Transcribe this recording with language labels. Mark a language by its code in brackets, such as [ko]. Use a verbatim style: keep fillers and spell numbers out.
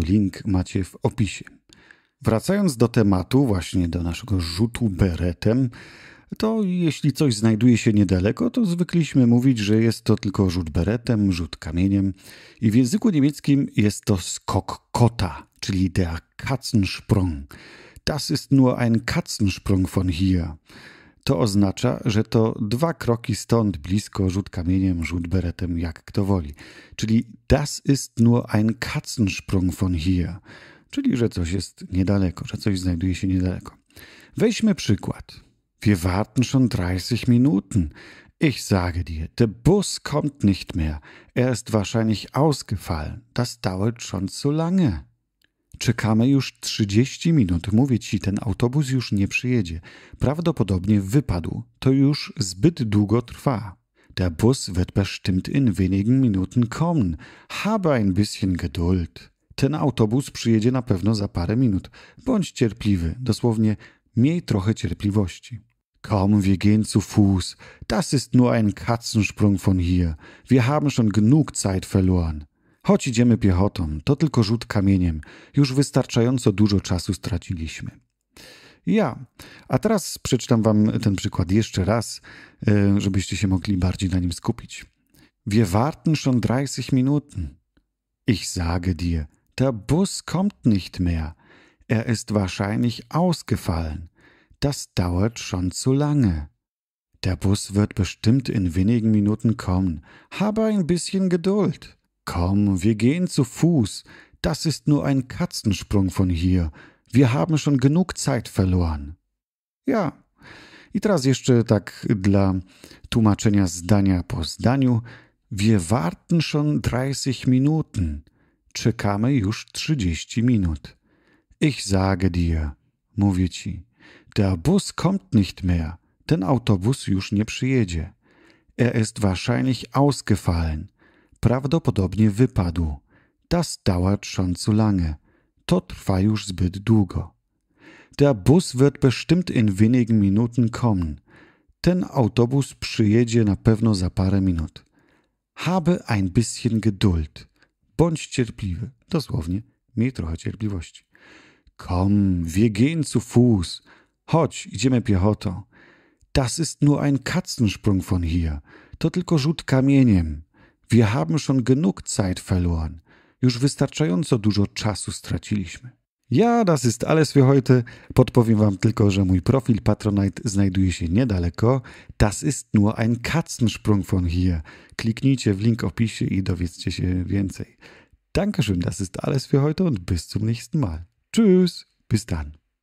[pl] Link macie w opisie. Wracając do tematu, właśnie do naszego rzutu beretem, to jeśli coś znajduje się niedaleko, to zwykliśmy mówić, że jest to tylko rzut beretem, rzut kamieniem i w języku niemieckim jest to skok kota, czyli der Katzensprung. [de] Das ist nur ein Katzensprung von hier. [pl] To oznacza, że to dwa kroki stąd blisko, rzut kamieniem, rzut beretem, jak kto woli. Czyli [de] das ist nur ein Katzensprung von hier, [pl] czyli że coś jest niedaleko, że coś znajduje się niedaleko. Weźmy przykład. [de] Wir warten schon dreißig Minuten. Ich sage dir, der Bus kommt nicht mehr. Er ist wahrscheinlich ausgefallen. Das dauert schon zu lange. [pl] Czekamy już trzydzieści minut. Mówię ci, ten autobus już nie przyjedzie. Prawdopodobnie wypadł. To już zbyt długo trwa. [de] Der Bus wird bestimmt in wenigen Minuten kommen. Habe ein bisschen Geduld. [pl] Ten autobus przyjedzie na pewno za parę minut. Bądź cierpliwy. Dosłownie miej trochę cierpliwości. [de] Komm, wir gehen zu Fuß. Das ist nur ein Katzensprung von hier. Wir haben schon genug Zeit verloren. [pl] Choć idziemy piechotą, to tylko rzut kamieniem. Już wystarczająco dużo czasu straciliśmy. Ja, a teraz przeczytam wam ten przykład jeszcze raz, żebyście się mogli bardziej na nim skupić. [de] Wir warten schon dreißig Minuten. Ich sage dir, der Bus kommt nicht mehr. Er ist wahrscheinlich ausgefallen. Das dauert schon zu lange. Der Bus wird bestimmt in wenigen Minuten kommen. Habe ein bisschen Geduld. Komm, wir gehen zu Fuß. Das ist nur ein Katzensprung von hier. Wir haben schon genug Zeit verloren. Ja. [pl] I teraz jeszcze tak dla tłumaczenia zdania po zdaniu. [de] Wir warten schon dreißig Minuten. [pl] Czekamy już trzydzieści minut. [de] Ich sage dir, [pl] mówię ci, [de] der Bus kommt nicht mehr, [pl] ten autobus już nie przyjedzie. [de] Er ist wahrscheinlich ausgefallen, [pl] prawdopodobnie wypadł. [de] Das dauert schon zu lange, [pl] to trwa już zbyt długo. [de] Der Bus wird bestimmt in wenigen Minuten kommen, [pl] ten autobus przyjedzie na pewno za parę minut. [de] Habe ein bisschen Geduld, [pl] bądź cierpliwy, dosłownie, miej trochę cierpliwości. [de] Komm, wir gehen zu Fuß. [pl] Chodź, idziemy piechotą. [de] Das ist nur ein Katzensprung von hier. [pl] To tylko rzut kamieniem. [de] Wir haben schon genug Zeit verloren. [pl] Już wystarczająco dużo czasu straciliśmy. [de] Ja, das ist alles für heute. [pl] Podpowiem wam tylko, że mój profil Patronite znajduje się niedaleko. [de] Das ist nur ein Katzensprung von hier. [pl] Kliknijcie w link w opisie i dowiedzcie się więcej. [de] Dankeschön, das ist alles für heute und bis zum nächsten Mal. Tschüss, bis dann.